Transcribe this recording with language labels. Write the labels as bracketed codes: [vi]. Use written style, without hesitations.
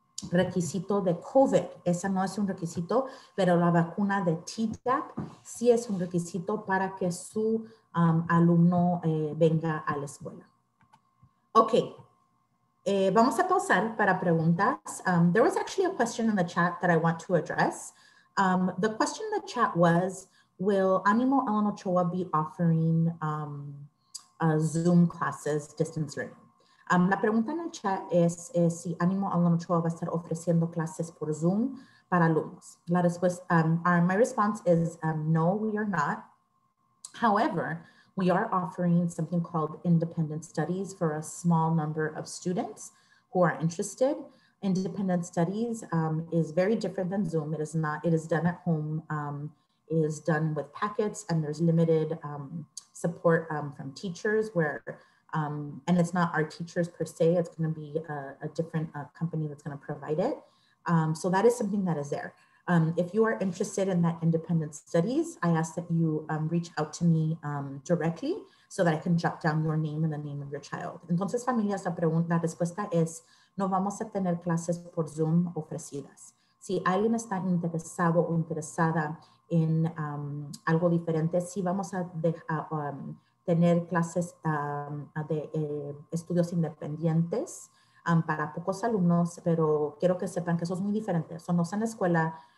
[es] requisito de COVID. Esa no es un requisito, pero la vacuna de Tdap sí es un requisito para que su alumno venga a la escuela. Okay. Vamos a pausar para preguntas. [en] There was actually a question in the chat that I want to address. The question in the chat was, will Ánimo Ellen Ochoa be offering Zoom classes, distance learning? [es] La pregunta en el chat es si Ánimo Ellen Ochoa va a estar ofreciendo clases por Zoom para alumnos. La respuesta, [en] my response is no, we are not. However, we are offering something called independent studies for a small number of students who are interested. Independent studies is very different than Zoom. It is not, it is done at home, is done with packets, and there's limited support from teachers where, and it's not our teachers per se, it's gonna be a different company that's gonna provide it. So that is something that is there. If you are interested in that independent studies, I ask that you reach out to me directly so that I can jot down your name and the name of your child. [es] Entonces, familia, la respuesta es, no vamos a tener clases por Zoom ofrecidas. Si alguien está interesado o interesada en algo diferente, sí vamos a tener clases de estudios independientes para pocos alumnos, pero quiero que sepan que eso es muy diferente. Eso no es en la escuela.